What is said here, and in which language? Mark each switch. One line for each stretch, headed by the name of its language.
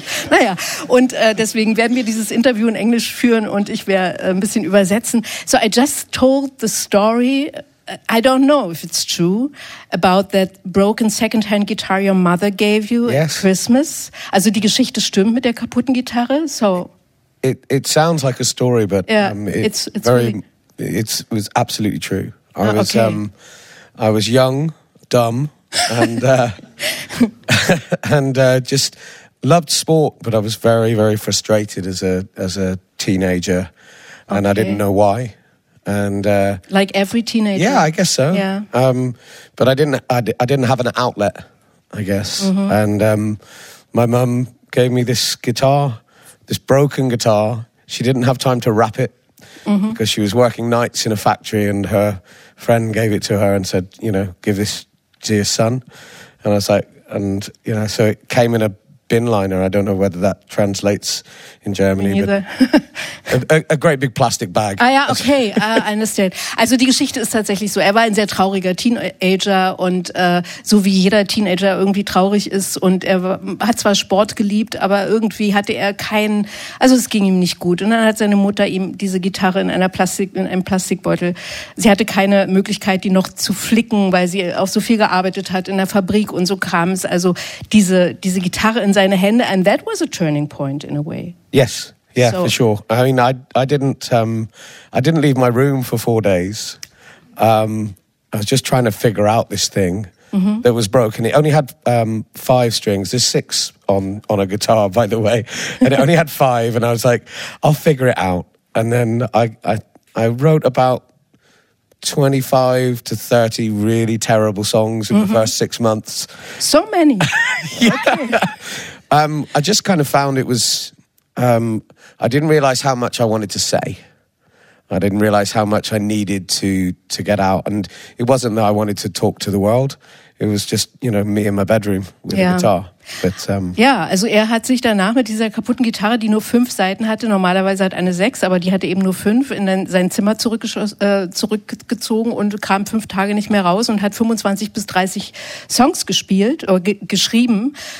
German: Naja, und deswegen werden wir dieses Interview in Englisch führen und ich werde ein bisschen übersetzen.
English: So I just told the story, I don't know if it's true, about that broken second-hand guitar your mother gave you yes. at Christmas.
German: Also die Geschichte stimmt mit der kaputten Gitarre.
English: So it sounds like a story, but yeah, it was absolutely true. I was young, dumb, and just loved sport, but I was very, very frustrated as a teenager, and okay. I didn't know why. And like every teenager. Yeah, I guess so. Yeah. But I didn't have an outlet, I guess. Mm-hmm. And my mum gave me this guitar, this broken guitar. She didn't have time to wrap it mm-hmm. because she was working nights in a factory and her friend gave it to her and said, you know, give this to your son. And I was like, and, you know, so it came in a bin liner. I don't know whether that translates in Germany. Me neither. a great big plastic bag.
German: Ah ja,
English: okay, I understand.
German: Also die Geschichte ist tatsächlich so, er war ein sehr trauriger Teenager und so wie jeder Teenager irgendwie traurig ist und er hat zwar Sport geliebt, aber irgendwie hatte er keinen, also es ging ihm nicht gut. Und dann hat seine Mutter ihm diese Gitarre in einem Plastikbeutel, sie hatte keine Möglichkeit, die noch zu flicken, weil sie auch so viel gearbeitet hat in der Fabrik und so kam es. Also diese Gitarre in seine Hände,
English: and that was a turning point in a way. Yes. Yeah, so. For sure. I mean, I didn't leave my room for 4 days. I was just trying to figure out this thing mm-hmm. that was broken. It only had 5 strings. There's 6 on a guitar, by the way. And it only had 5. And I was like, I'll figure it out. And then I wrote about 25 to 30 really terrible songs in mm-hmm. the first 6 months. So many. Yeah. Okay. I just kind of found it was... I didn't realize how much I wanted to say. I didn't realize how much I needed to get out. And it wasn't that I wanted to talk to the world. It was just, you know, me in my bedroom with yeah. a guitar. But,
German: ja, also er hat sich danach mit dieser kaputten Gitarre, die nur 5 Saiten hatte, normalerweise hat eine 6, aber die hatte eben nur 5, in sein Zimmer zurückgezogen und kam 5 Tage nicht mehr raus und hat 25 bis 30 Songs gespielt oder geschrieben.